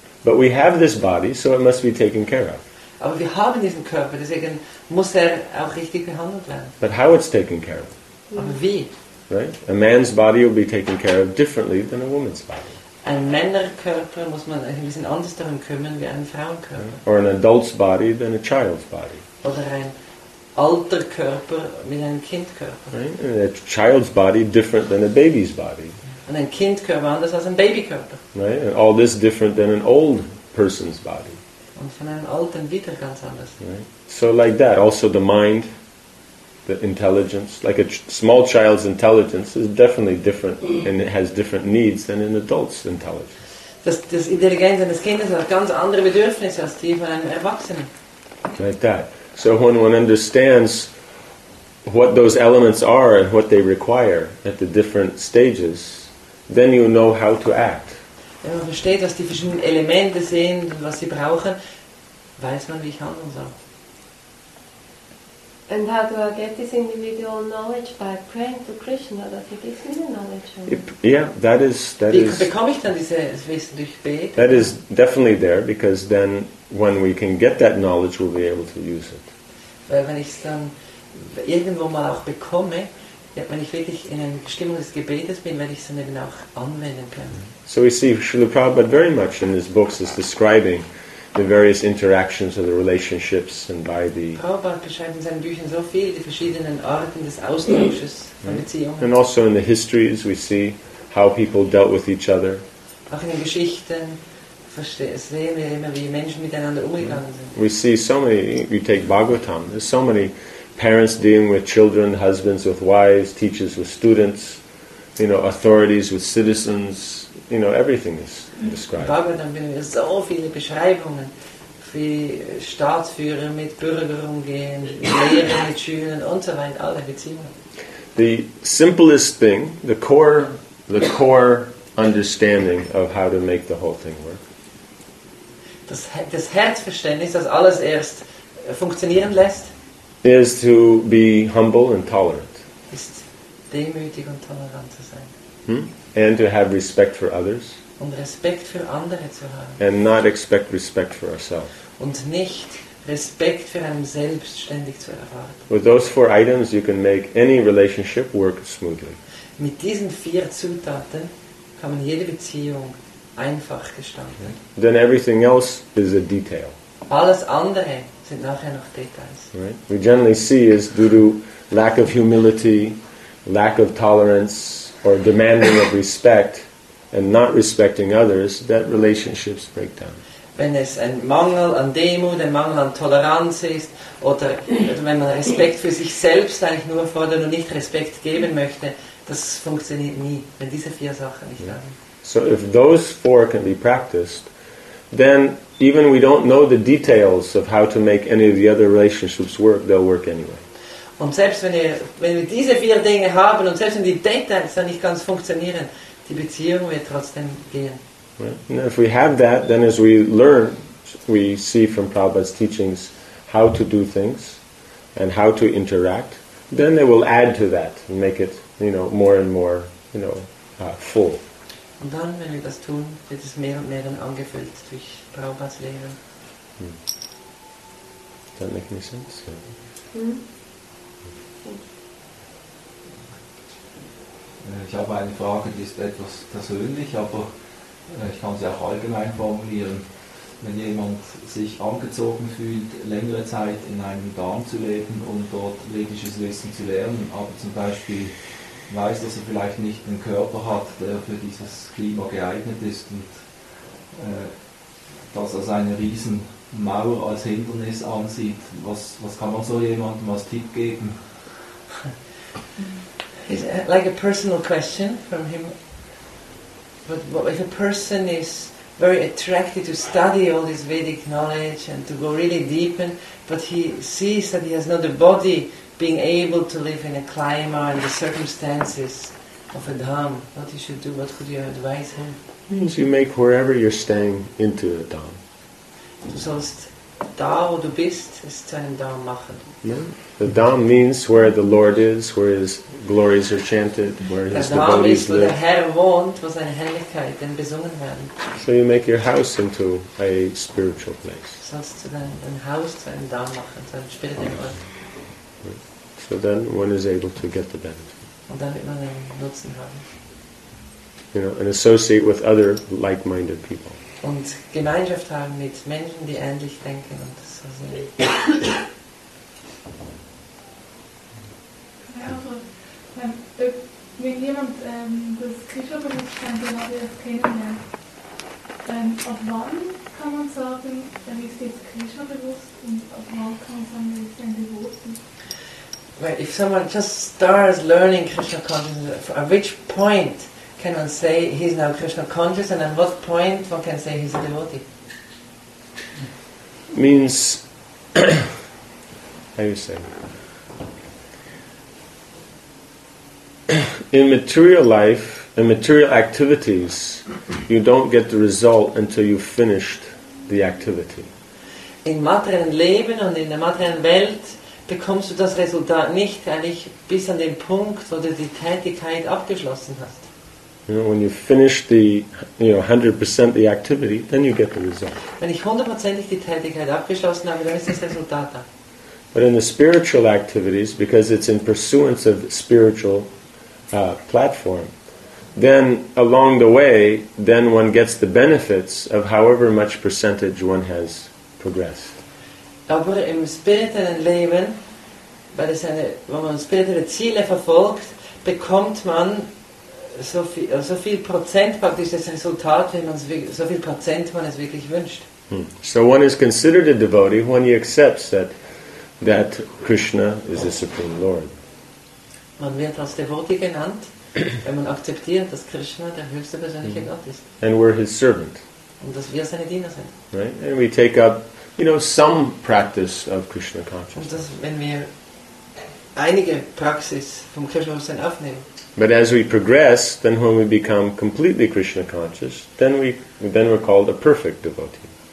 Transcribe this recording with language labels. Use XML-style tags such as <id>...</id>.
<en>But we have this body, so it must be taken care of.</en> <de>Aber wir haben diesen Körper, deswegen muss er auch richtig behandelt werden.</de> <en>But how it's taken care of?</en> <de>Aber wie?</de> <en>Right? A man's body will be taken care of differently than a woman's body.</en> <de>Ein Männerkörper muss man ein bisschen anders darum kümmern wie ein Frauenkörper.</de> <en>Right? Or an adult's body than a child's body.</en> <de>Oder ein alter Körper mit einem Kindkörper.</de> <en>Right? A child's body different than a baby's body.</en> <de>Und ein Kindkörper anders als ein Babykörper.</de> <en>Right? And all this different than an old person's body.</en> <de>Und von einem alten wieder ganz anders.</de> <en>Right? So like that, also the mind, the intelligence, like a small child's intelligence is definitely different and it has different needs than an adult's intelligence.</en> <de>Das Intelligenz eines Kindes hat ganz andere Bedürfnisse als die von einem Erwachsenen.</de> <en>Like that. So when one understands what those elements are and what they require at the different stages, then you know how to act.</en> <de>Wenn man versteht, was die verschiedenen Elemente sind und was sie brauchen, weiß man, wie ich handeln soll.</de> <en>And how do I get this individual knowledge? By praying to Krishna, that he gives me the knowledge. Yeah, that is... That</en> <de>wie</de> <en>is,</en> <de>bekomme ich dann dieses Wissen durch Beten?</de> <en>That is definitely there, because then when we can get that knowledge, we'll be able to use it.</en> <de>Weil wenn ich es dann irgendwo mal auch bekomme, ja, wenn ich wirklich in einer Stimmung des Gebetes bin, werde ich es dann eben auch anwenden können.</de> <en>So we see Srila Prabhupada very much in his books is describing the various interactions of the relationships and by the...</en> <de>Prabhupada beschreibt in seinen Büchern so viel die verschiedenen Arten des Austausches von Beziehungen.</de> <en>And also in the histories we see how people dealt with each other.</en> <de>Auch in den Geschichten sehen wir immer, wie Menschen miteinander umgegangen sind.</de> <en>We see so many, you take Bhagavatam, there's so many parents dealing with children, husbands with wives, teachers with students, you know, authorities with citizens, you know, everything is described.</en> <de>Bhagavatam finden wir so viele Beschreibungen, wie Staatsführer mit Bürgern umgehen, Lehrer mit Schülern und so weiter, alle Beziehungen.</de> <en>The simplest thing, the core understanding of how to make the whole thing work.</en> <de>Das Herzverständnis, das alles erst funktionieren lässt,</de> <en>is to be humble and tolerant.</en> <de>Ist demütig und tolerant zu sein.</de> <en>And to have respect for others.</en> <de>Und Respekt für andere zu haben.</de> <en>And not expect respect for ourselves.</en> <de>Und nicht Respekt für einem selbst ständig zu erwarten.</de> <en>With those four items, you can make any relationship work smoothly.</en> <de>Mit diesen vier Zutaten kann man jede Beziehung einfach gestalten.</de> <en>Then everything else is a detail.</en> <de>Alles andere sind nachher noch Details.</de> <en>Right? We generally see is due to lack of humility, lack of tolerance, or demanding of respect, and not respecting others, that relationships break down.</en> <de>Wenn es ein Mangel an Demut, ein Mangel an Toleranz ist, oder wenn man Respekt für sich selbst eigentlich nur fordert und nicht Respekt geben möchte, das funktioniert nie, wenn diese vier Sachen nicht haben.</de> <en>So if those four can be practiced, then even we don't know the details of how to make any of the other relationships work, they'll work anyway.</en> <de>Und selbst wenn wir diese vier Dinge haben und selbst wenn die Details dann nicht ganz funktionieren, die Beziehung wird trotzdem gehen.</de> <en>Right. If we have that, then as we learn, we see from Prabhupada's teachings how to do things and how to interact, then they will add to that and make it, you know, more and more, you know, full.</en> <de>Und dann, wenn wir das tun, wird es mehr und mehr dann angefüllt durch Prabhupadas Lehren.</de> <en>Does that make any sense? Yeah.</en> <de>Ich habe eine Frage, die ist etwas persönlich, aber ich kann sie auch allgemein formulieren. Wenn jemand sich angezogen fühlt, längere Zeit in einem Dharm zu leben und dort vedisches Wissen zu lernen, aber zum Beispiel weiß, dass er vielleicht nicht den Körper hat, der für dieses Klima geeignet ist und dass er seine Riesenmauer als Hindernis ansieht. Was kann man so jemandem als Tipp geben?</de> <en>Is like a personal question from him. But what if a person is very attracted to study all this Vedic knowledge and to go really deep in, but he sees that he has not the body being able to live in a climate and the circumstances of a dham, what he should do, what could you advise him? Means you make wherever you're staying into a dham.</en> <de>Du sollst da, wo du bist, es zu einem dham machen.</de> <en>The dham means where the Lord is, where his glories are chanted, where his devotees live.</en> <de>Der Herr wohnt, wo seine Herrlichkeit denn besungen werden.</de> <en>So you make your house into a spiritual place.</en> <de>Du sollst dein Haus zu einem dham machen, zu einem spirituellen Ort.</de> <en>So then one is able to get the benefit.</en> <de>Und damit man einen Nutzen haben.</de> <en>You know, and associate with other like-minded people.</en> <de>Und Gemeinschaft haben mit Menschen, die ähnlich denken und so sind. Ja, also, wenn jemand das Krishna-Bewusstsein jetzt kennenlernt, dann auf wann kann man sagen, dann ist jetzt Krishna-bewusst und auf wann kann man sagen, ist ein Devoten?</de> <en>Right, if someone just starts learning Krishna consciousness, at which point can one say he's now Krishna conscious, and at what point one can say he's a devotee? Means, how do you say? In material life, in material activities, you don't get the result until you've finished the activity.</en> <de>In materiellen Leben und in der materiellen Welt bekommst du das Resultat nicht, weil ich bis an den Punkt, wo du die Tätigkeit abgeschlossen hast.</de> <en>You know, when you finish the, you know, 100% the activity, then you get the result.</en> <de>Wenn ich hundertprozentig die Tätigkeit abgeschlossen habe, dann ist das Resultat da.</de> <en>But in the spiritual activities, because it's in pursuance of spiritual platform, then along the way, then one gets the benefits of however much percentage one has progressed.</en> <de>Aber im spirituellen Leben, weil es eine, wenn man spirituelle Ziele verfolgt, bekommt man so viel Prozent praktisch das Resultat, wenn man so viel Prozent man es wirklich wünscht. Hmm.</de> <en>So one is considered a devotee when he accepts that Krishna is the Supreme Lord.</en> <de>Man wird als Devotee genannt, wenn man akzeptiert, dass Krishna der höchste persönliche Gott ist.</de> <en>And we're his servant.</en> <de>Und dass wir seine Diener sind.</de> <en>Right? And we take up, you know, some practice of Krishna consciousness.</en> <de>Und das, wenn wir einige Praxis vom Krishna-Bewusstsein aufnehmen.</de> <en>But as we progress, then when we become completely Krishna conscious, then we're called a perfect devotee.</en>